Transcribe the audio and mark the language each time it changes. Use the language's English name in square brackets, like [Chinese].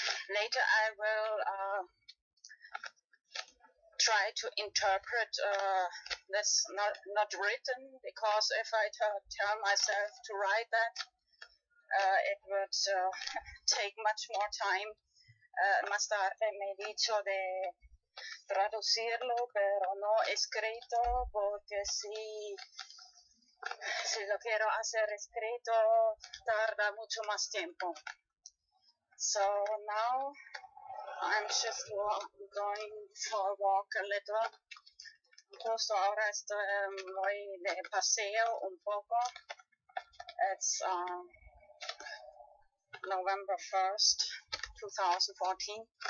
[English] Later I will try to interpret this not written, because if I tell myself to write that, it would take much more time. [Spanish] Más tarde me he dicho de traducirlo, pero no escrito, porque si lo quiero hacer escrito, tarda mucho más tiempo. [English] So now I'm just going for a walk a little. [Spanish] Justo ahora estoy voy de paseo un poco. [English] It's November 1st, 2014.